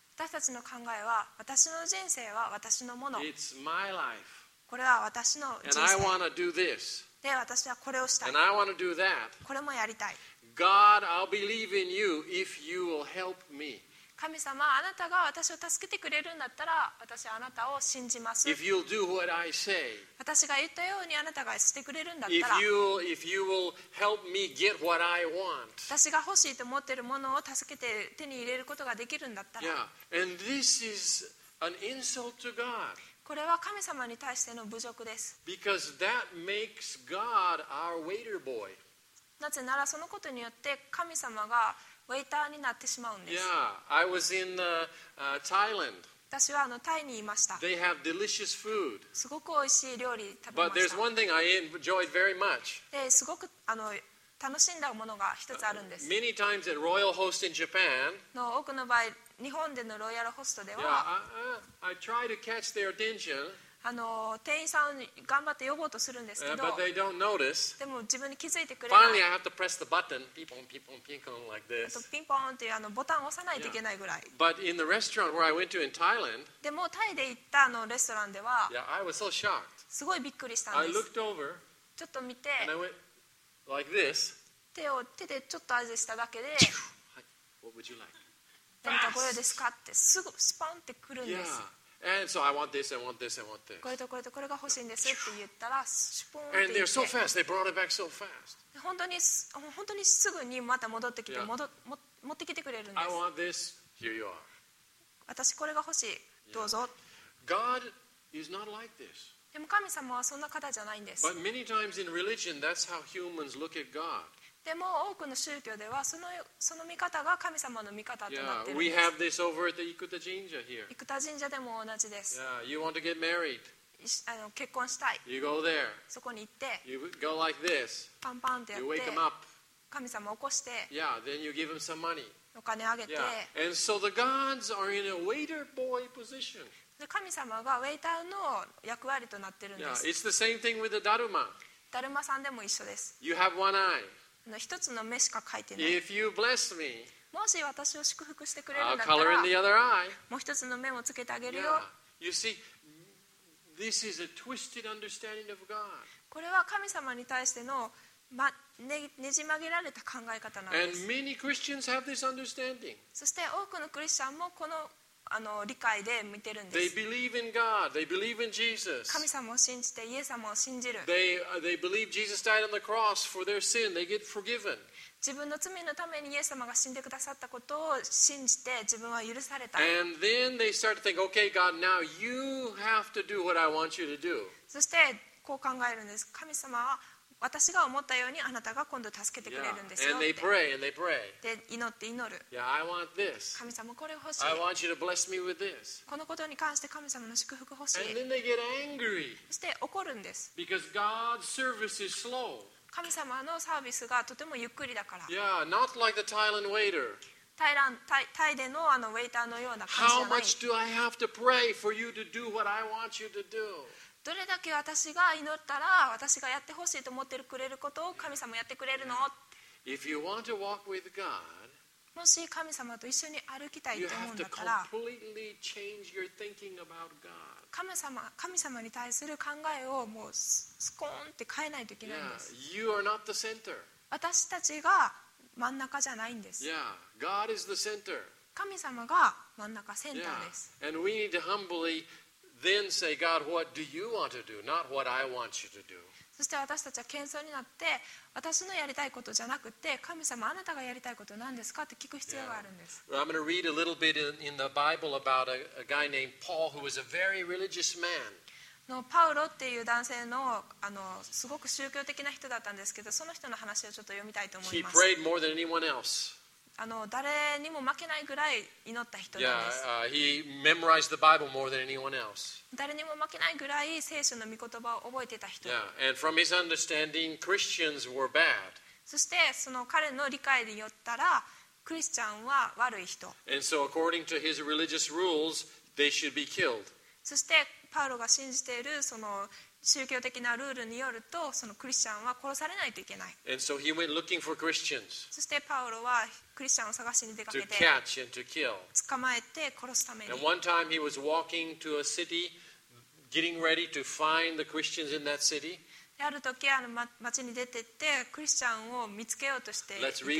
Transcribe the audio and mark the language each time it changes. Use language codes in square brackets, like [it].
[ja] 私たちの考えは私の人生は私のもの。 [en] It's my life. [ja] これは私の人生。 [en] And I want to do this. [ja] で私はこれをしたい。 [en] And I want to do that. [ja] これもやりたい。 [en] God, I'll believe in you if you will help me. [ja] 神様、あなたが私を助けてくれるんだったら、私はあなたを信じます。 [en] If you'll do what I say, [ja] 私が言ったようにあなたがしてくれるんだったら、 [en] if you will help me get what I want, [ja] 私が欲しいと思っているものを助けて手に入れることができるんだったら、 [en] yeah. And this is an insult to God. [ja] これは神様に対しての侮辱です。 [en] Because that makes God our waiter boy. [ja] なぜならそのことによって神様がウェイターになってしまうんです。 [en] Yeah, I was in Thailand. [ja] 私はタイにいました。 [en] They have delicious food. [ja] すごく美味しい料理食べました。 [en] But there's one thing I enjoyed very much. [ja] すごく楽しんだものが一つあるんです。 [en] Many times at Royal Host in Japan. [ja] の多くの場合、日本でのロイヤルホストでは、 [en] I try to catch their attention. [ja] 店員さんを頑張って呼ぼうとするんですけど、 [en] but they don't notice. [ja] でも自分に気づいてくれない。 [en] Finally, I have to press the button. [ja] ピンポンピンポンピンポンピンポンピンポンっていうボタンを押さないといけないぐらい。 [en] Yeah. But in the restaurant where I went to in Thailand, [ja] でもタイで行ったレストランでは、 [en] Yeah, I was so shocked. [ja] すごいびっくりしたんです。 [en] I looked over, [ja] ちょっと見て、 [en] and I went like this. [ja] 手でちょっと味しただけで、 [en] What would you like? [ja] 何かこれですかってすぐスパンってくるんです。 [en] Yeah. And so I want this, I want this, I want this. [ja] これとこれとこれが欲しいんですって言ったら、シュポンって言って。 [en] And they're so fast, they brought it back so fast. [ja] 本当にすぐにまた戻ってきて、持ってきてくれるんです。 [en] I want this, here you are. [ja] 私これが欲しい、どうぞ。 [en] God is not like this. [ja] でも神様はそんな方じゃないんです。 [en] But many times in religion, that's how humans look at God. [ja] でも多くの宗教ではその見方が神様の見方となっているんです。 [en] Yeah, we have this over at the Ikuta Jinja here. [ja] 生田神社でも同じです。 [en] Yeah, you want to get married. [ja] 結婚したい。 [en] You go there. [ja] そこに行って。 [en] You go like this. [ja] パンパンってやって。 [en] You wake them up. [ja] 神様を起こして。 [en] Yeah, then you give them some money. [ja] お金あげて。 [en] Yeah. And so the gods are in a waiter boy position. [ja] 神様がウェイターの役割となっているんです。 [en] Yeah, it's the same thing with the Daruma. [ja] ダルマさんでも一緒です。 [en] You have one eye. [ja] 一つの目しか書いてない。 [en] If you bless me, [ja] もし私を祝福してくれるんだったら、 [en] I'll color in the other eye. [ja] もう一つの目をつけてあげるよ。 [en] Yeah. You see, this is a twisted understanding of God. [ja] これは神様に対しての、ま、ねじ曲げられた考え方なんです。 [en] And many Christians have this understanding. [ja] そして多くのクリスチャンもこの、あの、理解で見てるんです。 [en] They believe in God. They believe in Jesus. [ja] 神様を信じてイエス様を信じる。 [en] They believe Jesus died on the cross for their sin. They get forgiven. [ja] 自分の罪のためにイエス様が死んでくださったことを信じて自分は許された。 [en] And then they start to think, okay, God, now you have to do what I want you to do. [ja] そしてこう考えるんです。神様は私が思ったようにあなたが今度助けてくれるんですよ。 [en] And they pray, and they pray. [ja] で祈って祈る。 [en] Yeah, I want this. [ja] 神様これ欲しい。 [en] I want you to bless me with this. [ja] このことに関して神様の祝福欲しい。 [en] And then they get angry. [ja] そして怒るんです。 [en] Because God's service is slow. [ja] 神様のサービスがとてもゆっくりだから。 [en] Yeah, not like the Thailand waiter. [ja] タイでのあのウェイターのような感じじゃない。 [en] How much do I have to pray for you to do what I want you to do? [ja] どれだけ私が祈ったら私がやってほしいと思ってくれることを神様やってくれるの？ [en] If you want to walk with God, [ja] もし神様と一緒に歩きたいと思うんだったら、 [en] you have to completely change your thinking about God. [ja] 神様に対する考えをもうスコーンって変えないといけないんです。 [en] Yeah, you are not the center. [ja] 私たちが真ん中じゃないんです。 [en] Yeah, God is the center. [ja] 神様が真ん中センターです。 [en] Yeah. And we need to humbly then say, God, what do you want to do? Not what I want you to do. [ja] そして私たちは謙遜になって私のやりたいことじゃなくて神様あなたがやりたいことは何ですかって聞く必要があるんです。 [en] Yeah. I'm going to read a little bit in the Bible about a guy named Paul who was a very religious man. [ja] のパウロっていう男性 あのすごく宗教的な人だったんですけどその人の話をちょっと読みたいと思います。 [en] He prayed more than anyone else. [ja] あの誰にも負けないぐらい祈った人なんです。 [en] Yeah, he memorized the Bible more than anyone else. [ja] 誰にも負けないぐらい聖書の御言葉を覚えてた人。 [en] Yeah, and from his understanding, Christians were bad. [ja] そしてその彼の理解によったらクリスチャンは悪い人。 [en] And so according to his religious rules, they should be killed. [ja] そしてパウロが信じているその宗教的なルールによるとそのクリスチャンは殺されないといけない。 [en] And so he went looking for Christians. [ja] そしてパウロはクリスチャンを探しに出かけて [en] to catch and to kill. [ja] 捕まえて殺すために。 [en] And one time he was walking to a city, getting ready to find the Christians in that city. [ja] ある時あの街に出てってクリスチャンを見つけようとして行ってたんです。